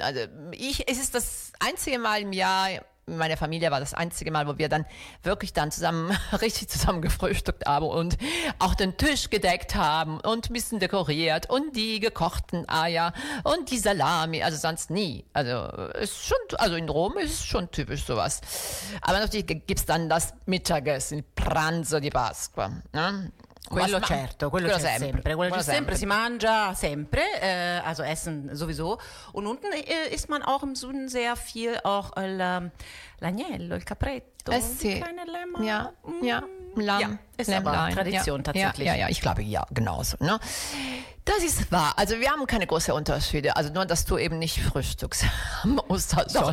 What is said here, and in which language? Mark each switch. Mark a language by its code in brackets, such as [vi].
[de] Also, es ist das einzige Mal im Jahr, meine Familie war das einzige Mal, wo wir dann wirklich dann zusammen, richtig zusammen gefrühstückt haben und auch den Tisch gedeckt haben und ein bisschen dekoriert und die gekochten Eier und die Salami, also sonst nie. Also, ist schon, also in Rom ist es schon typisch sowas. Aber natürlich gibt's dann das Mittagessen, [it] Pranzo di Pasqua, [de] ne? [it] Quello certo, quello c'è sempre. Quello c'è sempre, si mangia sempre, [de] also essen sowieso. Und unten isst man auch im Süden sehr viel auch [it] l'agnello, il capretto, [de] die kleine Lämmer. Ja, ja, Lamm. Ja, ist aber Tradition tatsächlich. Ja, ja, ich glaube, ja, genauso. Ne? Das ist wahr. Also wir haben keine großen Unterschiede. Also nur, dass du eben nicht frühstückst am Ostersonntag.